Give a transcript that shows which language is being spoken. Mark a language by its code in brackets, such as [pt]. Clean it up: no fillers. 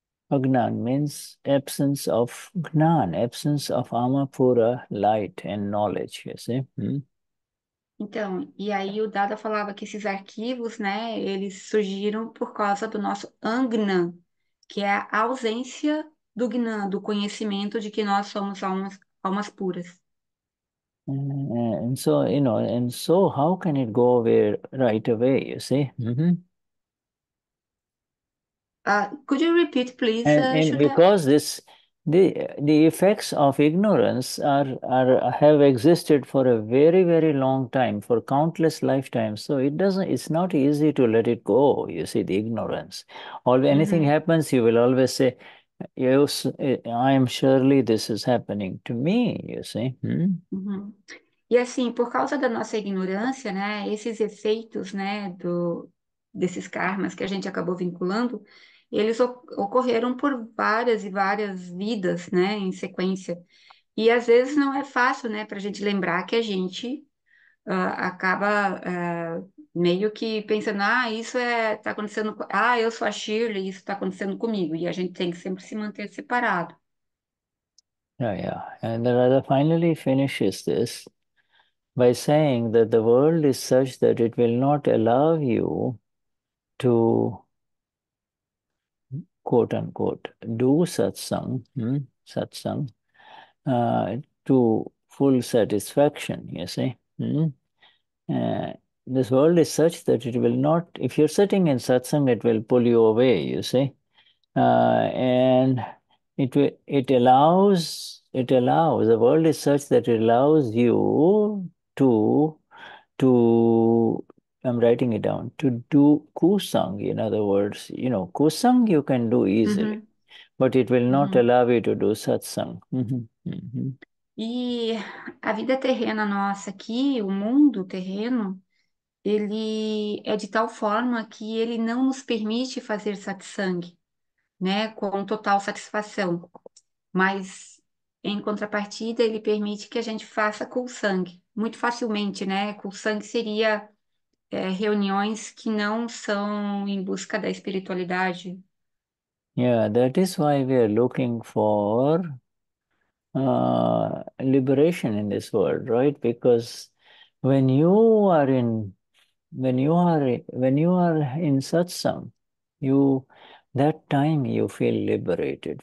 [en] Agnan means absence of gnan, absence of amapura light and knowledge, you see. [pt] Então, e aí o Dada falava que esses arquivos, né, eles surgiram por causa do nosso Agnan, que é a ausência do Gnan, do conhecimento de que nós somos almas puras. [en] And so how can it go away right away, you see? Could you repeat, please? And Should I... because this the effects of ignorance have existed for a very, very long time, for countless lifetimes, so it's not easy to let it go, you see, the ignorance. Or anything happens, you will always say, yes, I am surely this is happening to me, you see. [pt] E assim, por causa da nossa ignorância, né, esses efeitos, né, desses karmas que a gente acabou vinculando, eles ocorreram por várias e várias vidas, né, em sequência. E às vezes não é fácil, né, para a gente lembrar que a gente acaba meio que pensando, ah, isso está acontecendo, ah, eu sou a Shirley, isso está acontecendo comigo, e a gente tem que sempre se manter separado. [en] And the Radha finally finishes this by saying that the world is such that it will not allow you to, quote unquote, do satsang, to full satisfaction, you see. This world is such that it will not, if you're sitting in satsang, it will pull you away, you see. And the world is such that it allows you to I'm writing it down, to do kusang. In other words, kusang you can do easily, But it will not allow you to do satsang. [pt] E a vida terrena nossa aqui, o mundo terreno, ele é de tal forma que ele não nos permite fazer satsang, né, com total satisfação. Mas, em contrapartida, ele permite que a gente faça com sangue, muito facilmente, né? Com sangue seria reuniões que não são em busca da espiritualidade. [en] Yeah, that is why we are looking for liberation in this world, right? Because when you are in satsang, you that time you feel liberated.